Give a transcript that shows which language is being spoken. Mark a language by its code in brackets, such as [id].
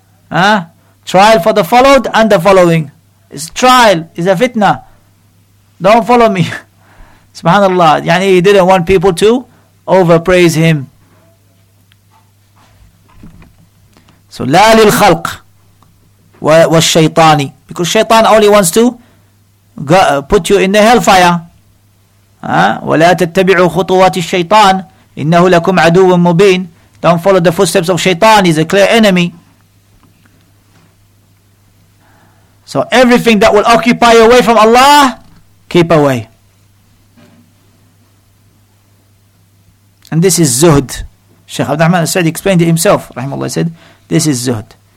[en] Trial for the followed and the following. It's trial. It's a fitna. Don't follow me. Subhanallah. Yani he didn't want people to overpraise him. So [ar] لا للخلق والشيطاني, [en] because shaitan only wants to put you in the hellfire. [ar] ولا تتبعوا خطوات الشيطان إنه لكم عدو مبين. [en] Don't follow the footsteps of shaitan, he's a clear enemy. So everything that will occupy you away from Allah, keep away. And this is zuhd. Shaykh Abdul Rahman al-Sa'di explained it himself, rahimahullah, said, this is zuhd.